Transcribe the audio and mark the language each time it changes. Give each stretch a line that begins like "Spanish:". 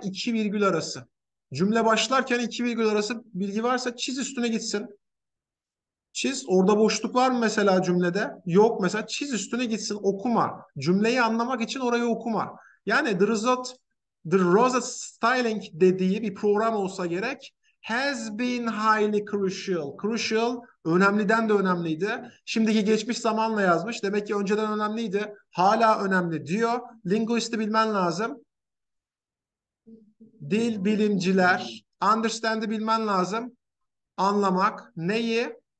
Turkish: İki virgül arası. Cümle başlarken iki virgül arası bilgi varsa çiz üstüne gitsin. Çiz. Orada boşluk var mı mesela cümlede? Yok mesela. Çiz üstüne gitsin. Okuma. Cümleyi anlamak için orayı okuma. Yani the Rosetta Stiling dediği bir program olsa gerek.
English: Has been highly crucial.
Turkish: Crucial önemliden de önemliydi. Şimdiki geçmiş zamanla yazmış. Demek ki önceden önemliydi. Hala önemli diyor. Linguisti bilmen lazım. Dil bilimciler. Understand'ı bilmen lazım. Anlamak. Neyi?